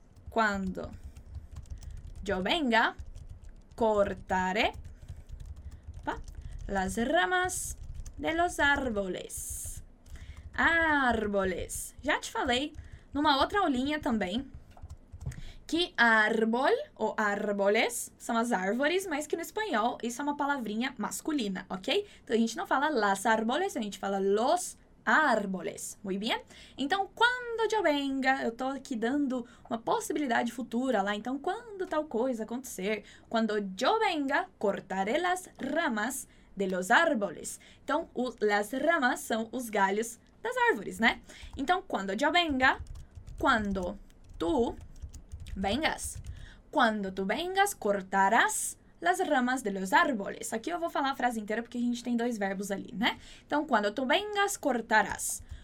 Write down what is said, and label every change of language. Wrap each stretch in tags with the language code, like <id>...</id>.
<es>Quando yo venga, cortaré las ramas de los árboles. Árboles.</es> <pt>Já te falei numa outra aulinha também que árbol ou árboles são as árvores, mas que no espanhol isso é uma palavrinha masculina, ok? Então a gente não fala las árboles, a gente fala los árboles. Muy bien? Então, quando yo venga, eu tô aqui dando uma possibilidade futura lá. Então,</pt> <es>quando tal coisa acontecer,</es> <pt>quando yo venga, cortaré las ramas de los árboles. Então, las ramas são os galhos das árvores, né?</pt> <es>Então, quando yo venga, quando tu vengas. Quando tu vengas, cortarás las ramas de los árboles.</es> <pt>Aqui eu vou falar a frase inteira porque a gente tem dois verbos ali, né? Então, quando tu vengas, cortarás.</pt>